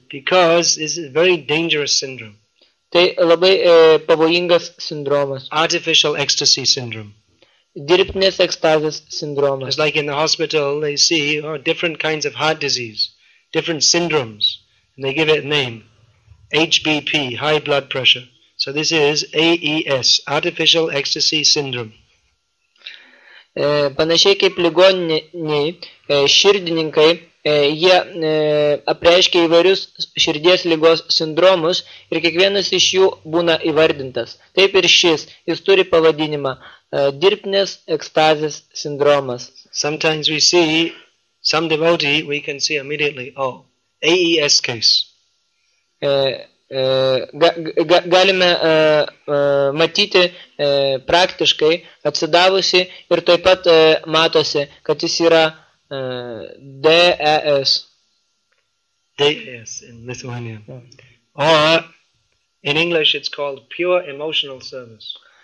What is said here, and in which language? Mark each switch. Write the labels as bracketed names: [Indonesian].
[English] Because this is a very dangerous syndrome. [Lithuanian] Tai labai pavojingas sindromas. [English] Artificial ecstasy syndrome. [Lithuanian] Dirbtinės ekstazės sindromas. [English] It's like in the hospital they see different kinds of heart disease, different syndromes, and they give it a name. HBP, high blood pressure. So this is AES, artificial ecstasy syndrome. [Lithuanian] Panašiai kaip ligoniniai, širdininkai, jie apreiškia įvairius širdies lygos sindromus ir kiekvienas iš jų būna įvardintas. Taip ir šis, jis turi pavadinimą dirbtinės ekstazės sindromas. [English] Sometimes we see some devotee, we can see immediately, oh, AES case. [Lithuanian] Galime matyti praktiškai atsidavusi ir taip pat matosi, kad jis yra DES. [English] DES in Lithuania. Or in English it's called pure emotional service.